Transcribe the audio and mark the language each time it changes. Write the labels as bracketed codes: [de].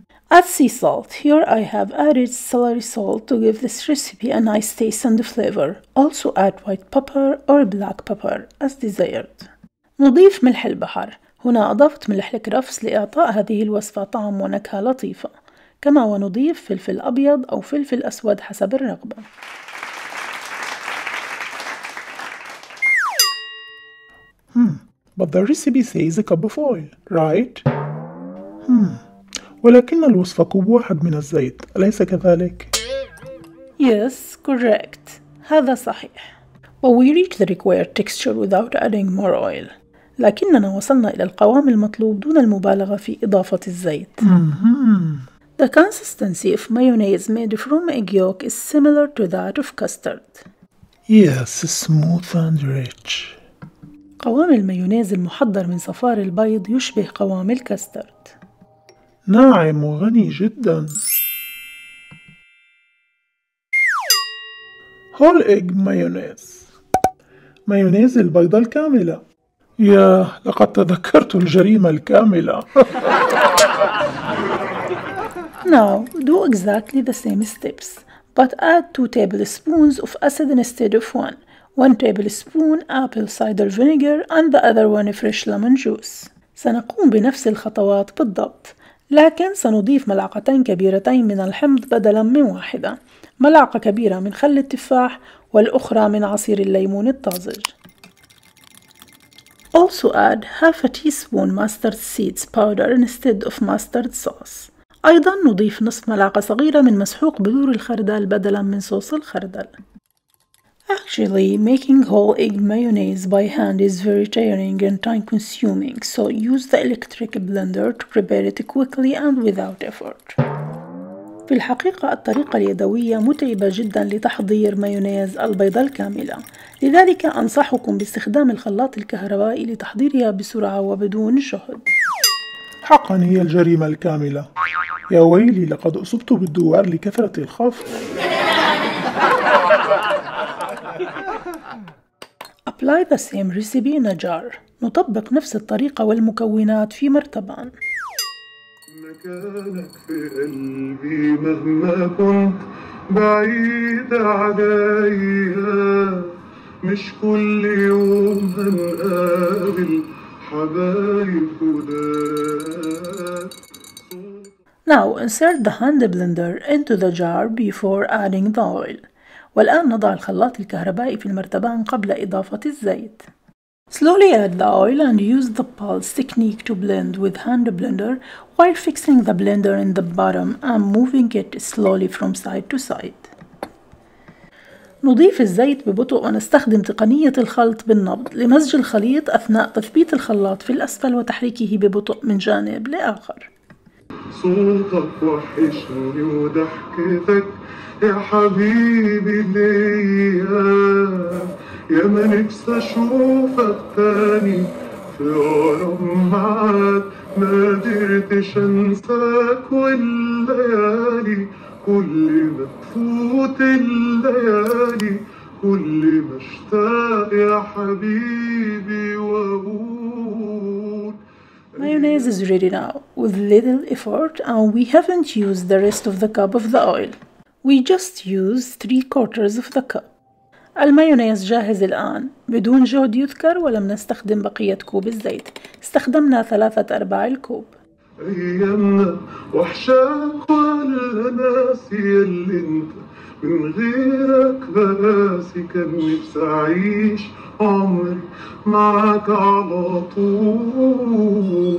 [en] Add sea salt. Here I have added celery salt to give this recipe a nice taste and flavor. Also add white pepper or black pepper as desired. [ar] نضيف ملح البحر. هنا أضفت ملح الكرفس لإعطاء هذه الوصفة طعم ونكهة لطيفة. كما ونضيف فلفل أبيض أو فلفل أسود حسب الرغبة. [en] But the recipe says a cup of oil, right? [ar] ولكن الوصفة كوب واحد من الزيت، أليس كذلك؟ [en] Yes, correct. [ar] هذا صحيح. [en] But we reach the required texture without adding more oil. [ar] لكننا وصلنا إلى القوام المطلوب دون المبالغة في إضافة الزيت. [en] The consistency of mayonnaise made from egg yolk is similar to that of custard. Yes, smooth and rich. [ar] قوام المايونيز المحضر من صفار البيض يشبه قوام الكاسترد. ناعم وغني جدا. [en] Whole egg mayonnaise. [ar] مايونيز البيضة الكاملة. ياه، لقد تذكرت الجريمة الكاملة. [en] Now do exactly the same steps, but add 2 tablespoons of acid instead of 1. 1 tablespoon apple cider vinegar and the other one fresh lemon juice. [ar] سنقوم بنفس الخطوات بالضبط، لكن سنضيف ملعقتين كبيرتين من الحمض بدلا من واحدة، ملعقة كبيرة من خل التفاح والأخرى من عصير الليمون الطازج. [en] Also add 1/2 teaspoon mustard seeds powder instead of mustard sauce. [ar] أيضا نضيف نصف ملعقة صغيرة من مسحوق بذور الخردل بدلا من صوص الخردل. [en] Actually, making whole egg mayonnaise by hand is very tiring and time-consuming, so use the electric blender to prepare it quickly and without effort. [ar] في الحقيقة الطريقة اليدوية متعبة جدا لتحضير مايونيز البيضة الكاملة، لذلك أنصحكم باستخدام الخلاط الكهربائي لتحضيرها بسرعة وبدون جهد. حقا هي الجريمة الكاملة، يا ويلي لقد أصبت بالدوار لكثرة الخوف. [en] Apply the same recipe in a jar. [ar] نطبق نفس الطريقة والمكونات في مرتبان. مكانك في قلبي مهما كنت بعيد عليا، مش كل يوم هنقابل حبايب جداد. [en] Now insert the hand blender into the jar before adding the oil. [ar] والآن نضع الخلاط الكهربائي في المرتبان قبل إضافة الزيت. [en] Slowly add the oil and use the pulse technique to blend with hand blender while fixing the blender in the bottom and moving it slowly from side to side. [ar] نضيف الزيت ببطء ونستخدم تقنية الخلط بالنبض لمزج الخليط أثناء تثبيت الخلاط في الأسفل وتحريكه ببطء من جانب لآخر. صوتك وحشني وضحكتك يا حبيبي ليا، يا ما نفسي اشوفك تاني في عالم عاد، ما قدرتش انساك والليالي كل ما تفوت الليالي كل ما اشتاق يا حبيبي واقول. [en] Mayonnaise is ready now with little effort, and we haven't used the rest of the cup of the oil. We just used 3/4 of the cup. [ar] المايونيز جاهز الآن بدون جهد يذكر، ولم نستخدم بقية كوب الزيت، استخدمنا 3/4 الكوب. أيامنا وحشاك ولا ناسي اللي انت من غيرك بناسي، كان نفسي أعيش عمري معاك على طول.